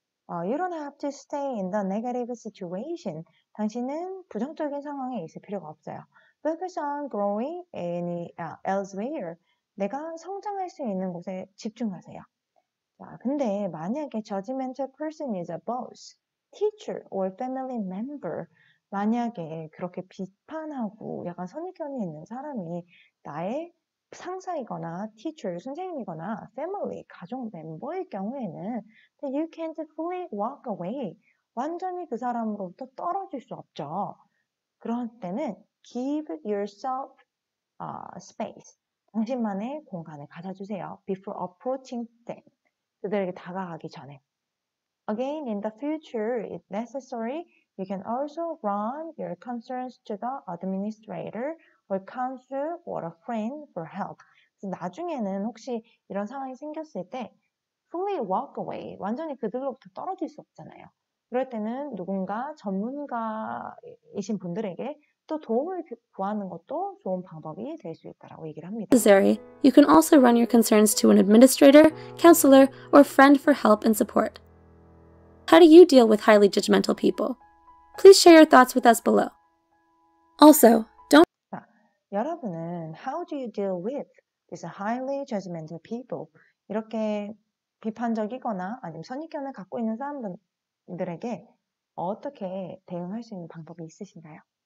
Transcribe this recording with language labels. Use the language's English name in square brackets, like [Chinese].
[English] You don't have to stay in the negative situation. [Korean] 당신은 부정적인 상황에 있을 필요가 없어요. [English] Focus on growing elsewhere. [Korean] 내가 성장할 수 있는 곳에 집중하세요. 자, 근데 만약에 [English] judgmental person is a boss, teacher or family member, [Korean] 만약에 그렇게 비판하고 약간 선입견이 있는 사람이 나의 상사이거나 teacher, 선생님이거나 family, 가족 멤버일 경우에는 [English] you can't fully walk away. [Korean] 완전히 그 사람으로부터 떨어질 수 없죠. 그럴 때는 [English] give yourself space. [Korean] 당신만의 공간을 가져주세요. [English] Before approaching them. [Korean] 그들에게 다가가기 전에. [English] Again, in the future, if necessary, you can also run your concerns to the administrator or counsel or a friend for help. [Korean] 나중에는 혹시 이런 상황이 생겼을 때 [English] fully walk away, [Korean] 완전히 그들로부터 떨어질 수 없잖아요. 그럴 때는 누군가 전문가이신 분들에게 또 도움을 구하는 것도 좋은 방법이 될 수 있다라고 얘기를 합니다. [English] Necessary, you can also run your concerns to an administrator, counselor, or friend for help and support. How do you deal with highly judgmental people? Please share your thoughts with us below. Also, don't... [Korean] 자, 여러분은 [English] how do you deal with these highly judgmental people? [Korean] 이렇게 비판적이거나 아니면 선입견을 갖고 있는 사람들에게 어떻게 대응할 수 있는 방법이 있으신가요?